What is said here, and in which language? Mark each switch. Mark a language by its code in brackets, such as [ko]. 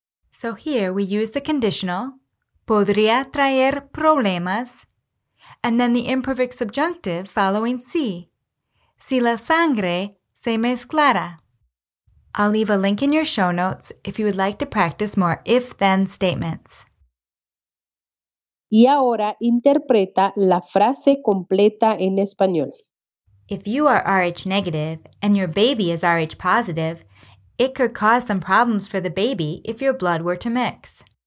[en] So here we use the conditional, [es] podría traer problemas, [en] and then the imperfect subjunctive following si, [es] si la sangre se mezclara. [en] I'll leave a link in your show notes if you would like to practice more if-then statements. [es] Y ahora interpreta la frase completa en español. [en] If you are Rh negative and your baby is Rh positive, it could cause some problems for the baby if your blood were to mix.